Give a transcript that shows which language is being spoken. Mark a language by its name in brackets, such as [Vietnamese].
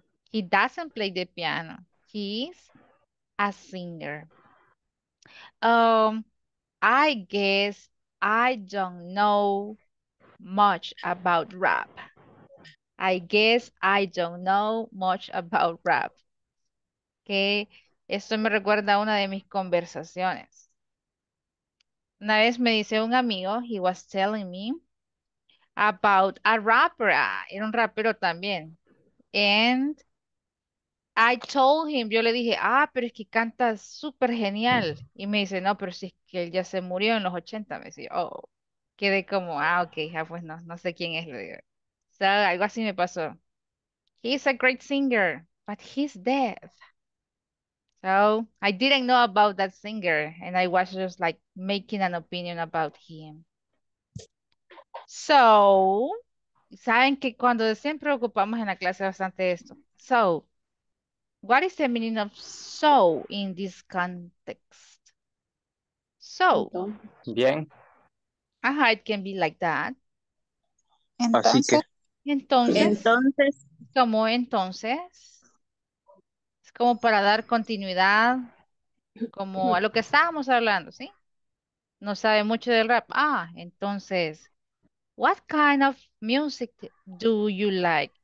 [English] He doesn't play the piano. He's a singer. I guess I don't know much about rap. I guess I don't know much about rap. [Spanish] ¿Qué? Esto me recuerda a una de mis conversaciones. Una vez me dice un amigo, [English] he was telling me about a rapper. [Spanish] Era un rapero también. [English] And I told him, [Spanish] yo le dije, ah, pero es que canta súper genial. Y me dice, no, pero si es que él ya se murió en los 80. Me dice, oh, quedé como, ah, ok, ya, pues no, no sé quién es. Le digo. [English] So, [Spanish] algo así me pasó. [English] He's a great singer, but he's dead. So, I didn't know about that singer, and I was just like making an opinion about him. [Spanish] So, ¿saben que cuando siempre ocupamos en la clase bastante esto? [English] So, what is the meaning of so in this context? So. [Spanish] Bien. [English] Ajá, it can be like that. [Spanish] Entonces. Así que. Entonces. Como entonces. Como para dar continuidad como a lo que estábamos hablando, ¿sí? No sabe mucho del rap. [English] Ah, entonces, what kind of music do you like?